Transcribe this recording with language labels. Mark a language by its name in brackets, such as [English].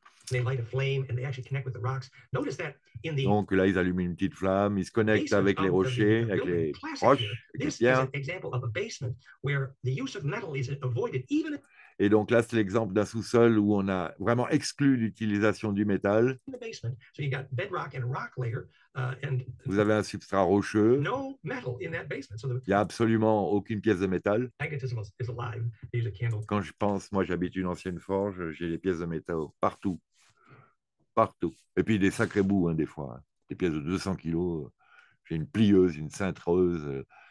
[English] They light a flame and they actually connect with the rocks. Notice that in the [French] Donc là, ils allument une petite flamme, ils se connectent avec les rochers, avec les roches. [English] This is an example of a basement where the use of metal is avoided even if... [French] Et donc là, c'est l'exemple d'un sous-sol où on a vraiment exclu l'utilisation du métal. [English] So you got bedrock and rock layer, and [French] vous avez un substrat rocheux. [English] No metal in that basement. So the... [French] Il n'y a absolument aucune pièce de métal. [English] Magnetism is alive. There's a candle. [French] Quand je pense, moi j'habite une ancienne forge, j'ai des pièces de métal partout. Partout. Et puis des sacrés bouts, hein, des fois. Hein. Des pièces de 200 kilos. J'ai une plieuse, une cintreuse.